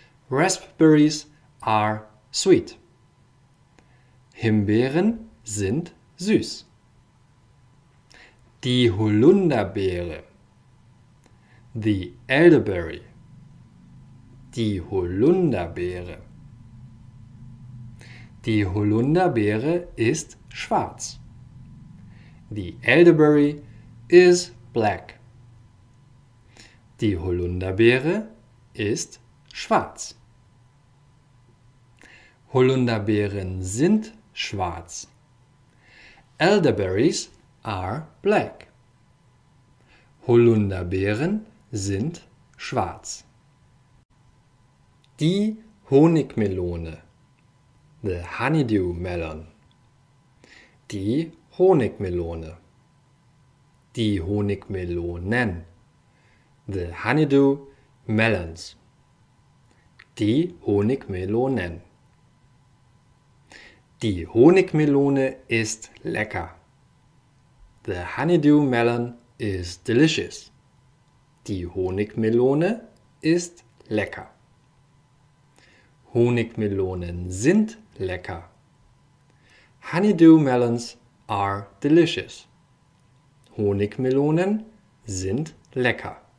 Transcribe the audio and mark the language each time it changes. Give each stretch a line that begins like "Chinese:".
English: Raspberries are sweet.
German: Himbeeren sind süß. Die Holunderbeere.
English: The elderberry.
German: Die Holunderbeere. Die Holunderbeere ist schwarz.
English: The elderberry is black.
German: Die Holunderbeere ist schwarz. Holunderbeeren sind schwarz.
English: Elderberries are black.
German: Holunderbeeren sind schwarz. Die Honigmelone.
English: The honeydew melon.
German: Die Honigmelone. Die Honigmelonen.
English: The honeydew melons.
German: Die Honigmelonen. Die Honigmelone ist lecker.
English: The honeydew melon is delicious.
German: Die Honigmelone ist lecker. Honigmelonen sind lecker.
English: Honeydew melons are delicious.
German: Honigmelonen sind lecker.